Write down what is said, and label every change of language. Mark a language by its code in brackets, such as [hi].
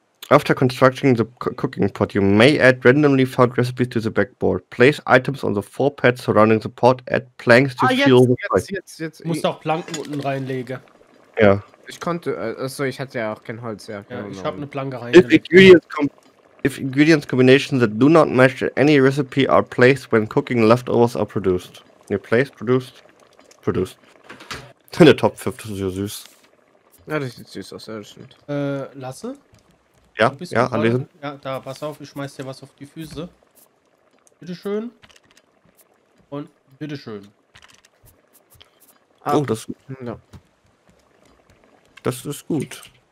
[en] After constructing the cooking pot, you may add randomly found recipes to the backboard. Place items on the four pads surrounding the pot. Add planks to fuel the fire. [de] Jetzt. Ich muss auch Planken unten reinlegen. Ja. Ich konnte, achso, ich hatte ja auch kein Holz. Ja, ich habe eine Planke reingelegt. [en] If ingredients combinations that do not match any recipe are placed when cooking leftovers are produced. Replaced, produced. [de] In der Top 5, das ist ja süß. Ja, das sieht süß aus, das stimmt. Lasse? Ja, ja, anlesen. Ja, da, pass auf, ich schmeiß dir was auf die Füße. Bitteschön. Und bitteschön. Ah. Oh, das ist gut. Ja. Das ist gut.